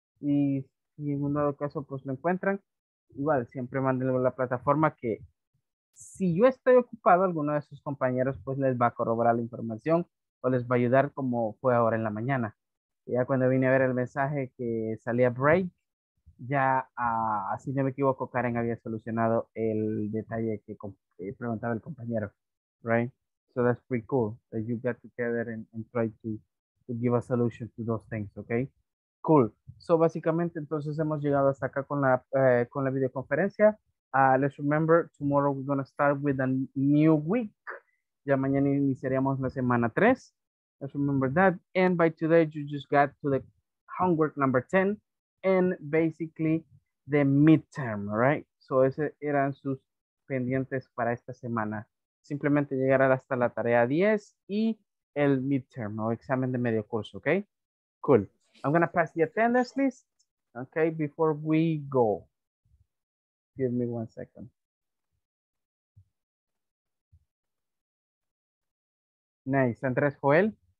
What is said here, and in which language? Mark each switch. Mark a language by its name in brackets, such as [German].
[Spanish] Y si en un dado caso, pues lo encuentran. Igual, siempre mándenlo a la plataforma que si yo estoy ocupado, alguno de sus compañeros, pues les va a corroborar la información o les va a ayudar como fue ahora en la mañana. Ya cuando vine a ver el mensaje que salía break, ya, si no me equivoco, Karen había solucionado el detalle que preguntaba el compañero, right? [English] So that's pretty cool that you got together and try to give a solution to those things, okay? Cool. [Spanish] So básicamente, entonces hemos llegado hasta acá con la videoconferencia. [English] Let's remember, tomorrow we're going to start with a new week. [Spanish] Ya mañana iniciaríamos la semana 3. [English] Let's remember that. And by today, you just got to the homework number 10 and basically the midterm, right? [Spanish] So ese eran sus pendientes para esta semana. Simplemente llegar hasta la tarea 10 y el midterm o examen de medio curso, okay? [English] Cool. I'm going to pass the attendance list, okay, before we go. Give me one second. Nice. Andrés Joel.